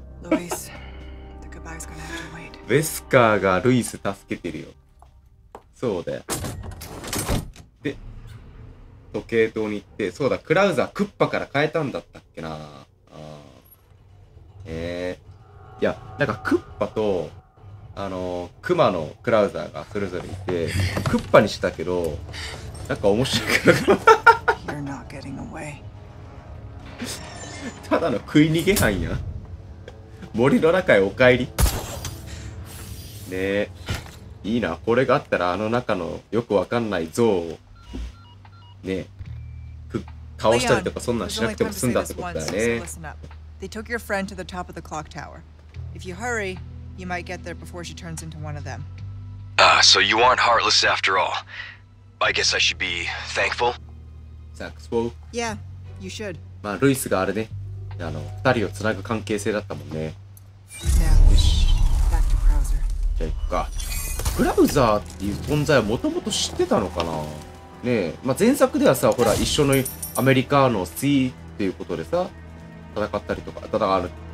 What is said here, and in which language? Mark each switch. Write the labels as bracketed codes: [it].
[en] ロイス、The goodbye's gonna have to wait。 [ja] ウェスカーがルイス助けてるよ。そうだよ。で、時計塔に行って、そうだ、クラウザークッパから変えたんだったっけな。いや、なんかクッパと、クマのクラウザーがそれぞれいて、クッパにしたけど、なんか面白くなかった。 [en] You're not getting away. [ja] ただの食い逃げ犯や。森の中へお帰り。ねえ、いいな、これがあったらあの中のよくわかんない像を、ねえ、倒したりとかそんなんしなくても済んだってことだよね。 [en] They took your friend to the top of the clock tower. If you hurry,You might get there before she turns into one of them. Ah, so you aren't heartless after all. I guess I should be thankful. Zack's fault. Yeah, you should. [ja] まあ、ルイスがあれね。あの、二人をつなぐ関係性だったもんね。 [en] Now, back to Krauser. [ja] じゃあ行くか。クラウザーっていう存在はもともと知ってたのかな？ねえ、まあ前作ではさ、ほら、一緒のアメリカのスティーっていうことでさ、戦ったりとか、戦う。